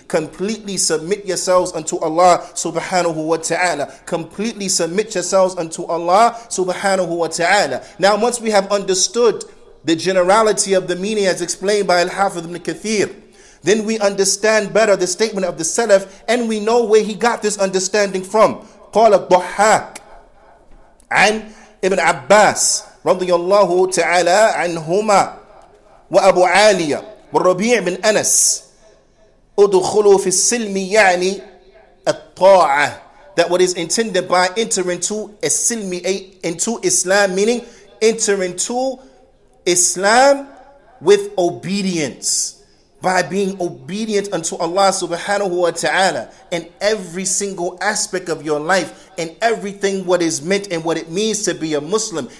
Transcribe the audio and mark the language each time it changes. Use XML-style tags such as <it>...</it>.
<en>Completely submit yourselves unto Allah subhanahu wa ta'ala. Completely submit yourselves unto Allah subhanahu wa ta'ala. Now once we have understood the generality of the meaning as explained by Al-Hafidh ibn Kathir, then we understand better the statement of the Salaf, and we know where he got this understanding from.</en> <ar>قال الضحاك عن ابن عباس رضي الله تعالى عنهما وأبو عالية والربيع بن أنس أدخلوا في السلم يعني الطاعة.</ar> <en>That what is intended by enter into السلم, into Islam, meaning enter into Islam with obedience, by being obedient unto Allah subhanahu wa ta'ala in every single aspect of your life, and everything what is meant and what it means to be a Muslim.</en>